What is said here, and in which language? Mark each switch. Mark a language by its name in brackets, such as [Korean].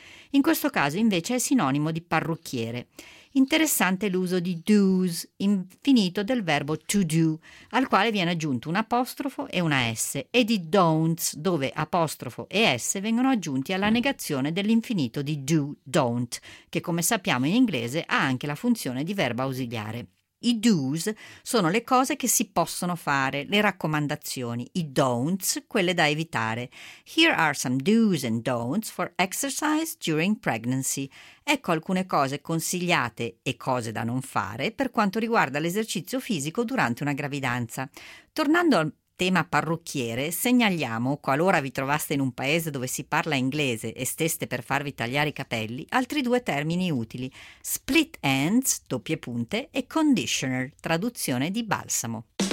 [Italian] In questo caso, invece, è sinonimo di parrucchiere. Interessante l'uso di do's, infinito del verbo to do, al quale viene aggiunto un apostrofo e una s, e di don'ts, dove apostrofo e s vengono aggiunti alla negazione dell'infinito di do, don't, che come sappiamo in inglese ha anche la funzione di verbo ausiliare. I do's sono le cose che si possono fare, le raccomandazioni, i don'ts, quelle da evitare. [English] Here are some do's and don'ts for exercise during pregnancy. [Italian] Ecco alcune cose consigliate e cose da non fare per quanto riguarda l'esercizio fisico durante una gravidanza. Tornando al tema parrucchiere, segnaliamo, qualora vi trovaste in un paese dove si parla inglese e steste per farvi tagliare i capelli, altri due termini utili: split ends, doppie punte, e conditioner, traduzione di balsamo.